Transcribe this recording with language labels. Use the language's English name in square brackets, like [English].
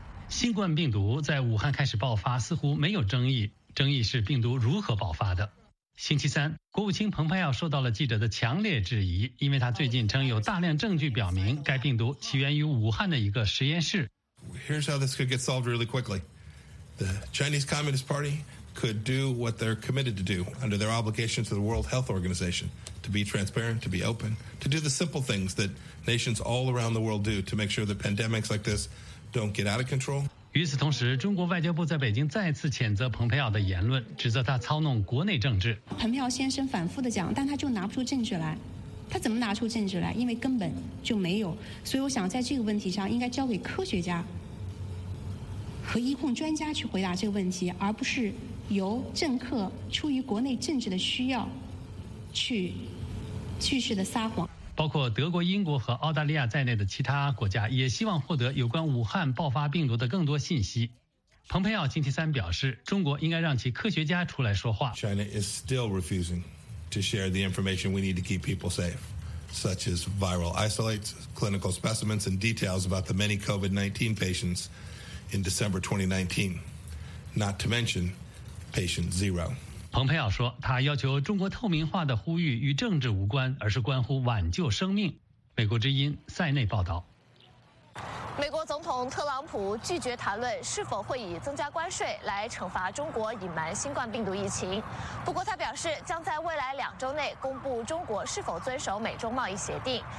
[Chinese] 新冠病毒在武汉开始爆发似乎没有争议，争议是病毒如何爆发的。星期三，国务卿蓬佩奥受到了记者的强烈质疑，因为他最近称有大量证据表明该病毒起源于武汉的一个实验室。 [English] Here's how this could get solved really quickly. The Chinese Communist Party could do what they're committed to do under their obligation to the World Health Organization to be transparent, to be open, to do the simple things that nations all around the world do to make sure that pandemics like this don't get out of control. [Chinese] 与此同时，中国外交部在北京再次谴责蓬佩奥的言论，指责他操弄国内政治。蓬佩奥先生反复地讲，但他就拿不出证据来，他怎么拿出证据来？因为根本就没有。所以我想在这个问题上应该交给科学家和疫控专家去回答这个问题，而不是由政客出于国内政治的需要去继续的撒谎。包括德国、英国和澳大利亚在内的其他国家也希望获得有关武汉爆发病毒的更多信息。蓬佩奥星期三表示，中国应该让其科学家出来说话。 [English] China is still refusing to share the information we need to keep people safe, such as viral isolates, clinical specimens, and details about the many COVID-19 patients in December 2019, not to mention patient zero. [Chinese] 蓬佩奥说，他要求中国透明化的呼吁与政治无关，而是关乎挽救生命。美国之音塞内报道。美国总统特朗普拒绝谈论是否会以增加关税来惩罚中国隐瞒新冠病毒疫情，不过他表示将在未来两周内公布中国是否遵守美中贸易协定。